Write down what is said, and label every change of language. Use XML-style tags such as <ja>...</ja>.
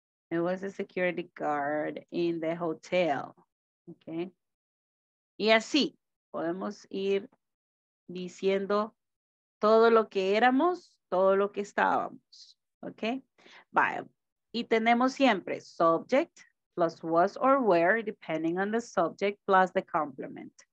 <en>It was a security guard in the hotel. Okay.</en> <es>Y así podemos ir diciendo todo lo que éramos, todo lo que estábamos.</es> <en>Okay. Bye.</en> <es>Y tenemos siempre</es> <en>subject plus was or were, depending on the subject, plus the complement.</en>